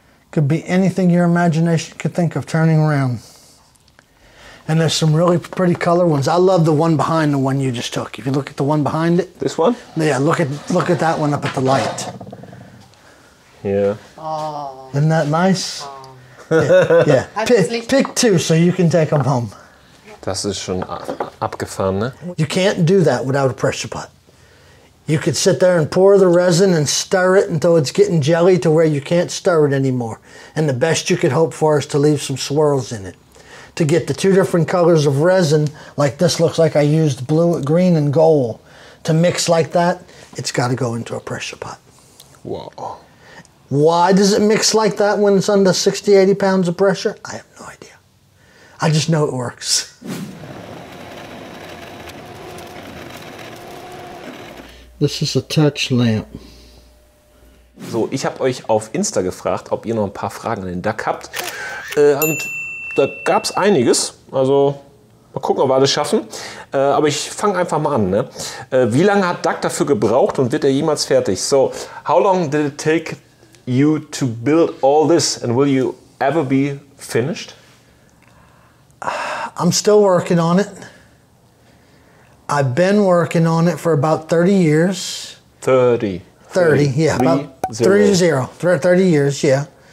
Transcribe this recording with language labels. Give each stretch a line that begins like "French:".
English: Could be anything your imagination could think of turning around. And there's some really pretty color ones. I love the one behind the one you just took. If you look at the one behind it. This one? Yeah, look at that one up at the light. Yeah. Oh. Isn't that nice? Oh. Yeah. pick two so you can take them home.
German: Das ist schon abgefahren, ne?
English: You can't do that without a pressure pot. You could sit there and pour the resin and stir it until it's getting jelly to where you can't stir it anymore. And the best you could hope for is to leave some swirls in it. To get the two different colors of resin, like this looks like I used blue, green, and gold, to mix like that, it's got to go into a pressure pot. Wow. Why does it mix like that when it's under 60, 80 pounds of pressure? I have no idea. I just know it works. This is a touch lamp.
German: So, ich habe euch auf Insta gefragt, ob ihr noch ein paar Fragen an den Duck habt. Und da gab es einiges. Also, mal gucken, ob wir alles schaffen. Aber ich fange einfach mal an. Ne? Wie lange hat Duck dafür gebraucht und wird er jemals fertig?
English: So, how long did it take you to build all this? And will you ever be finished? I'm still working on it. I've been working on it for about 30 years. 30 years, yeah.